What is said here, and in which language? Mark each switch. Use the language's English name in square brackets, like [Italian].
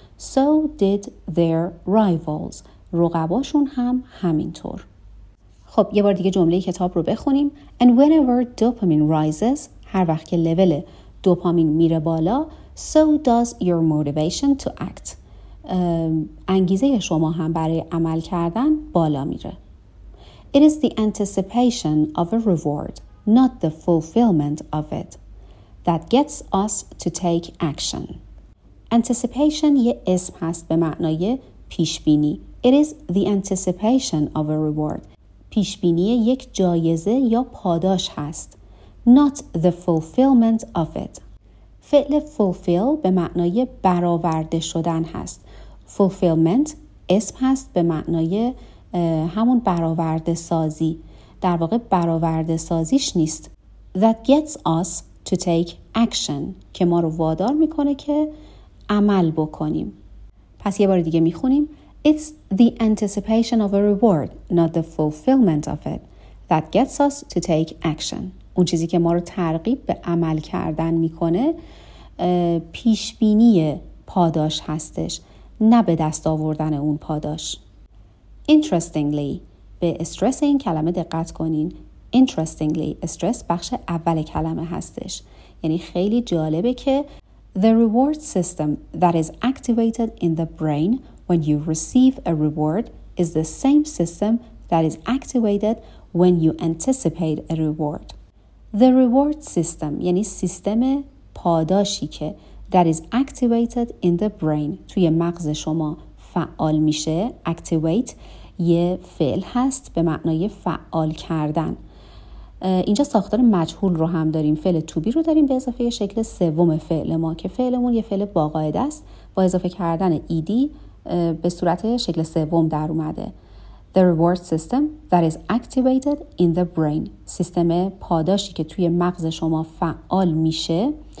[English] So did their rivals. [Persian] رقباشون هم همینطور. خب یه بار دیگه جمله کتاب رو بخونیم. [English] And whenever dopamine rises, [Persian] هر وقت که لول دوپامین میره بالا, [English] so does your motivation to act. [Persian] انگیزه شما هم برای عمل کردن بالا میره. [English] It is the anticipation of a reward, not the fulfillment of it, that gets us to take action. [Persian] Anticipation یه اسم هست به معنای پیشبینی. [English] It is the anticipation of a reward. [Persian] پیشبینی یک جایزه یا پاداش هست. [English] Not the fulfillment of it. [Persian] فعل fulfill به معنای برآورده شدن هست. Fulfillment اسم هست به معنای همون برآورده سازی. در واقع برآورده سازیش نیست. [English] That gets us to take action. [Persian] که ما رو وادار میکنه که عمل بکنیم. پس یه بار دیگه میخونیم. [English] It's the anticipation of a reward, not the fulfillment of it, that gets us to take action. [Persian] اون چیزی که ما رو ترغیب به عمل کردن میکنه پیشبینی پاداش هستش، نه به دست آوردن اون پاداش. Interestingly, به استرس این کلمه دقت کنین. Interestingly, استرس بخش اول کلمه هستش. یعنی خیلی جالبه که [English] the reward system that is activated in the brain when you receive a reward is the same system that is activated when you anticipate a reward. The reward system [Persian] یعنی سیستم پاداشی که [English] that is activated in the brain [Persian] توی مغز شما فعال میشه. Activate یه فعل هست به معنای فعال کردن. اینجا ساختار مجهول رو هم داریم. فعل to be رو داریم به اضافه شکل سوم فعل ما که فعلمون یه فعل باقاعده است. با اضافه کردن ed به صورت شکل سوم در اومده. [English] The reward system that is activated in the brain. [Persian] سیستم پاداشی که توی مغز شما فعال میشه.